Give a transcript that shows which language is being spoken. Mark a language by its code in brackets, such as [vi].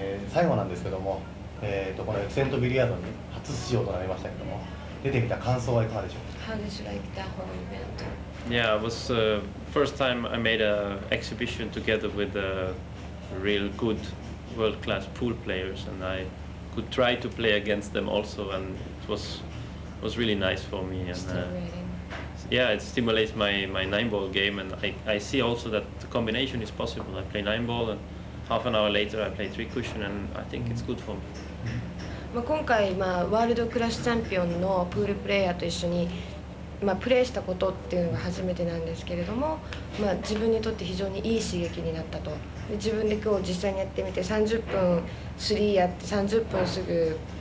[ja] 最後なんですけども、このエクセントビリヤードに初出場となりましたけども、出てみた感想はいかがでしょうか。 [en] How did you like that whole event? Yeah, it was the first time I made an exhibition together with a real good world-class pool players, and I could try to play against them also, and it was really nice for me. And, Yeah, it stimulates my nine ball game, and I see also that the combination is possible. I play nine ball, and half an hour later I play three cushion, and I think it's good for me. [ja] まあ今回まあワールドクラスチャンピオンのプールプレイヤーと一緒にまあプレーしたことっていうのが初めてなんですけれども、まあ自分にとって非常にいい刺激になったと。で自分で今日実際にやってみて、30分スリーやって30分すぐ。